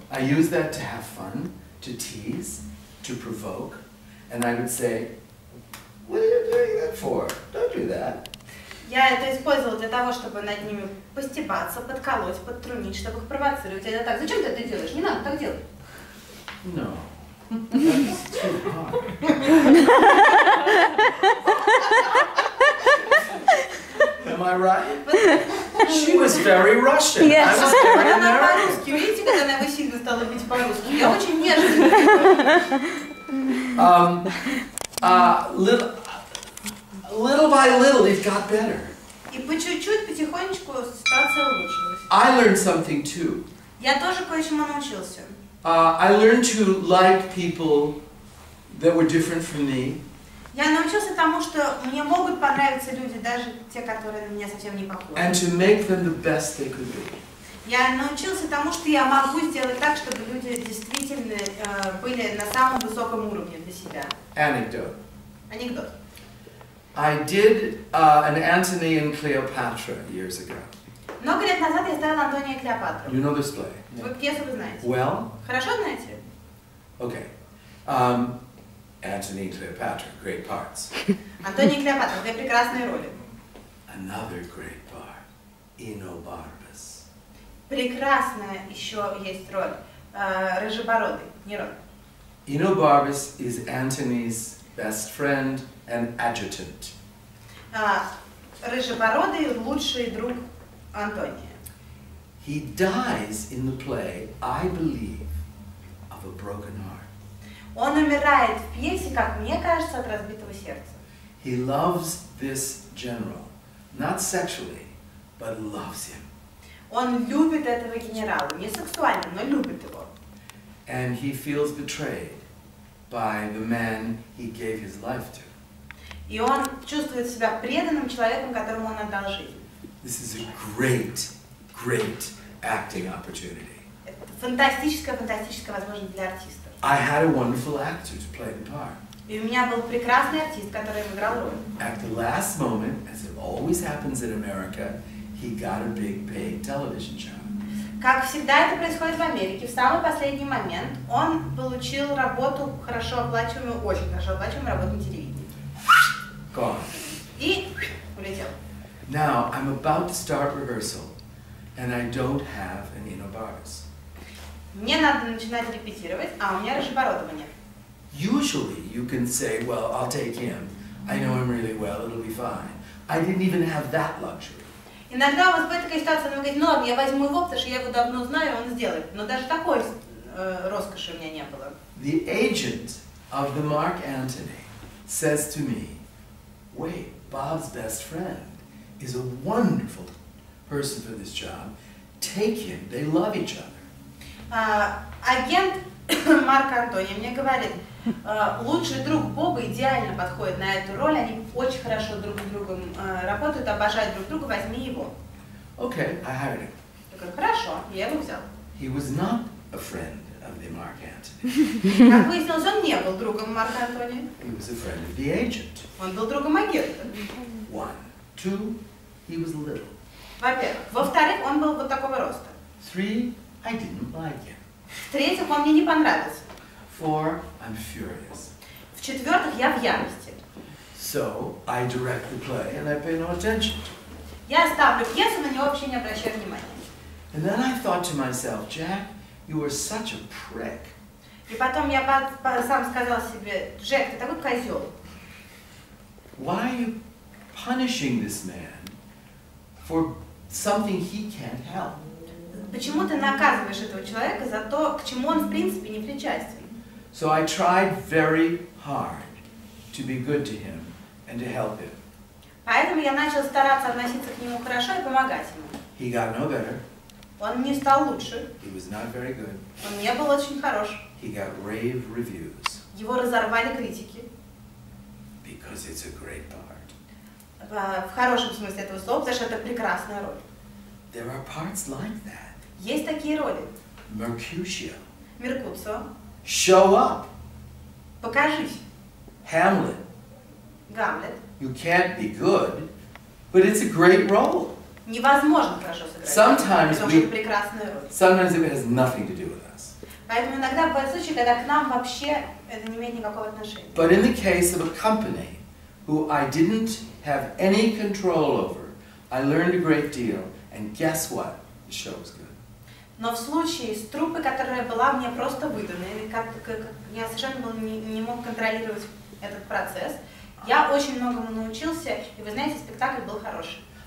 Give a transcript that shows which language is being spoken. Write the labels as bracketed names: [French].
[English] I use that to have fun, to tease, to provoke, and I would say, what are you doing that for? Don't do that. [Russian] Я это использовала для того, чтобы над ними постебаться, подколоть, подтрунить, чтобы их провоцировать. Это так. Зачем ты это делаешь? Не надо так делать. [English] No. Am I right? She was very Russian. Yes. I was very American. [Russian] Она по-русски. Видите, когда она сильно стала быть по-русски? Я очень нежный. [English] Little by little, it got better. [Russian] И по чуть-чуть, потихонечку ситуация улучшилась. [English] I learned something too. [Russian] Я тоже кое-чему научился. [English] I learned to like people that were different from me. [Russian] Я научился тому, что мне могут понравиться люди, даже те, которые на меня совсем не похожи. [English] And to make them the best they could be. [Russian] Я научился тому, что я могу сделать так, чтобы люди действительно были на самом высоком уровне для себя. Анекдот. [English] I did an Antony and Cleopatra years ago. [Russian] Много лет назад я ставила Антония и Клеопатру. [English] You know this play? Yeah. [Russian] Вы пьесу вы знаете? [English] Well. [Russian] Хорошо знаете? [English] Okay. Antony and Cleopatra, great parts. [Russian] Антоний и Клеопатра, две прекрасные роли. [English] Another great part, Ино Барбас. [Russian] Прекрасная еще есть роль, рыжебородый, Нерон. [English] Ино Барбас is Antony's best friend. An adjutant. [Russian] Рыжебородый лучший друг Антония. [English] He dies in the play, I believe, of a broken heart. [Russian] Он умирает в пьесе, как мне кажется, от разбитого сердца. [English] He loves this general, not sexually, but loves him. [Russian] Он любит этого генерала, не сексуально, но любит его. [English] And he feels betrayed by the man he gave his life to. [Russian] И он чувствует себя преданным человеком, которому он отдал жизнь. [English] This is a great, great acting opportunity. [Russian] Фантастическая, фантастическая возможность для артиста. [English] I had a wonderful actor to play the part. [Russian] И у меня был прекрасный артист, который играл роль. [English] At the last moment, as it always happens in America, he got a big paid television job. [Russian] Как всегда это происходит в Америке, в самый последний момент он получил работу, хорошо оплачиваемую, очень хорошо оплачиваемую работу на телевидении. [English] Gone. [Russian] И улетел. [English] Now, I'm about to start rehearsal, and I don't have an Inobaris. [Russian] Мне надо начинать репетировать, а у меня рыжебородого нет. [English] Usually you can say, well, I'll take him. I know him really well, it'll be fine. I didn't even have that luxury. [Russian] Иногда у вас бывает такая ситуация, вы говорите, ну ладно, я возьму его, потому что я его давно знаю, он сделает. Но даже такой роскоши у меня не было. [English] The agent of the Mark Antony says to me, wait, Bob's best friend is a wonderful person for this job. Take him, they love each other. [Russian] Агент Марк Антони мне говорит, лучший друг Боба идеально подходит на эту роль, они очень хорошо друг с другом работают, обожают друг друга, возьми его. [English] Okay, I hired him. [Russian] Я говорю, хорошо, я его взял. [English] He was not a friend of the Mark Antony. [Russian] Как выяснилось, он не был другом Марка Антони. [English] He was a friend of the agent. [Russian] Он был другом агента. [English] One. Two, he was little. [Russian] Во-первых. Во-вторых, он был вот такого роста. [English] Three, I didn't like him. [Russian] В-третьих, он мне не понравился. [English] Four, I'm furious. [Russian] В-четвертых, я в ярости. [English] So, I direct the play and I pay no attention. [Russian] Я ставлю пьесу, на него вообще не обращаю внимания. [English] And then I thought to myself, Jack, you are such a prick. [Russian] И потом я сам сказал себе, Джек, ты такой козел. [English] Why are you punishing this man for something he can't help? [Russian] Почему ты наказываешь этого человека за то, к чему он, в принципе, не причастен? [English] So I tried very hard to be good to him and to help him. [Russian] Поэтому я начал стараться относиться к нему хорошо и помогать ему. [English] He got no better. [Russian] Он не стал лучше. [English] He was not very good. [Russian] Он не был очень хорош. [English] He got rave reviews. [Russian] Его разорвали критики. [English] Because it's a great part. [Russian] В хорошем смысле этого слова, потому что это прекрасная роль. [English] There are parts like that. [Russian] Есть такие роли. [English] Mercutio. [Russian] Меркуцио. [English] Show up. [Russian] Покажись. [English] Hamlet. [Russian] Гамлет. [English] You can't be good, but it's a great role. [Russian] Невозможно хорошо сыграть. [English] Sometimes [Russian] потому что это прекрасная роль. [English] Sometimes it has nothing to do with us. [Russian] Поэтому иногда бывают случаи, когда к нам вообще это не имеет никакого отношения. [English] But in the case of a company, who I didn't have any control over, I learned a great deal, and guess what? The show was good. [Russian] Но в случае с труппой, которая была мне просто выдана, или как я совершенно был, не мог контролировать этот процесс, я очень многому научился, и вы знаете, спектакль был хороший.